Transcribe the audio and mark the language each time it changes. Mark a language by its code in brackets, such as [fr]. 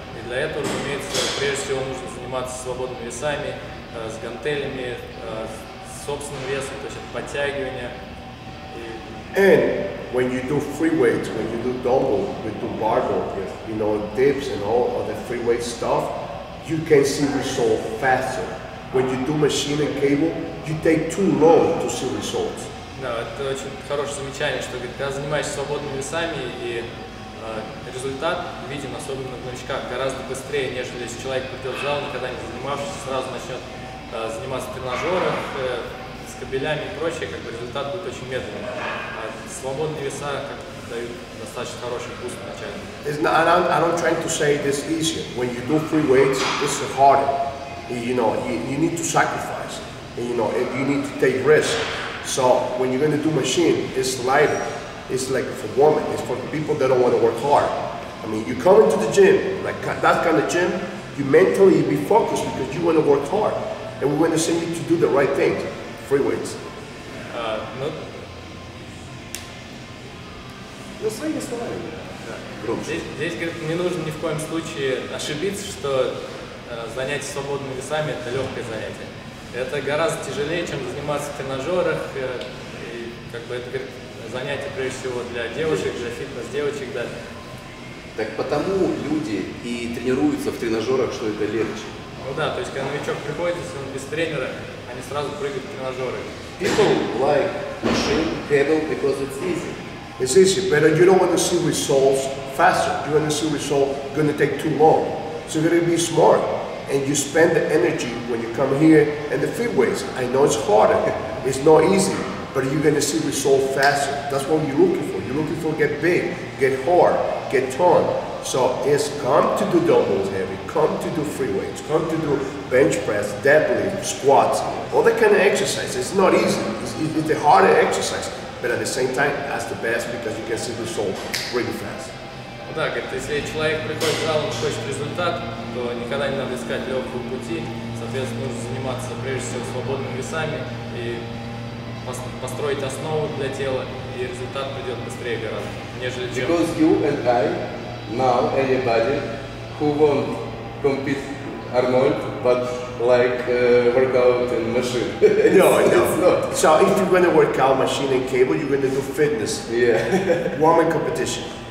[ru] И для этого, разумеется, прежде всего нужно заниматься свободными весами, с гантелями, с собственным весом, то есть подтягивания. [en] And when you do free weights, when you do dumbbell, when you do barbell, you know, dips and all of the free weight stuff, you can see results faster. When you do machine and cable, you take too long to see results. [ru] Да, это очень хорошее замечание, что говорит, когда занимаешься свободными весами, и результат виден, особенно в новичках, гораздо быстрее, нежели если человек придет в зал, никогда не занимавшись, сразу начнет заниматься тренажером, с кабелями и прочее, как бы результат будет очень медленным. А свободные веса как, дают достаточно хороший буст вначале. [en] I don't try to say this easier. When you do free weights, this is harder. You know, you need to sacrifice. You know, you need to take risks. So when you're going to do machine, it's lighter. It's like for women, it's for people that don't want to work hard. I mean, you come into the gym, like that kind of gym, you mentally be focused because you want to work hard. And we're going to send you to do the right thing, free weights. [ru] Ну, своими словами. Здесь, говорит, не нужно ни в коем случае ошибиться, что занятие свободными весами – это легкое занятие. Это гораздо тяжелее, чем заниматься в тренажерах. И, как бы это, говорит, занятие прежде всего для девушек, для фитнес-девочек, да. Так потому люди и тренируются в тренажерах, что это легче. Ну да, то есть когда новичок приходит, если он без тренера, они сразу прыгают в тренажеры. [en] People like machine, cable, because it's easy. It's easy, but you don't want to see results faster. You want to see results gonna take too long. So you're gonna be smart. And you spend the energy when you come here and the free weights. I know it's harder, it's not easy, but you're gonna see results faster. That's what you're looking for. You're looking for get big, get hard, get toned. So it's come to do dumbbells heavy, come to do free weights, come to do bench press, deadlift, squats, all that kind of exercise. It's not easy, it's the harder exercise, but at the same time, that's the best because you can see results really fast. [ru] Так, это если человек приходит в зал, он хочет результат, то никогда не надо искать легкого пути. Соответственно, нужно заниматься прежде всего свободными весами и построить основу для тела, и результат придет быстрее гораздо, нежели чем... [en] Because you and I, now anybody who won't compete Arnold, but like work out in machine. No. So if you're going to work out machine and cable, you're going to do fitness. Yeah. Warm-up competition.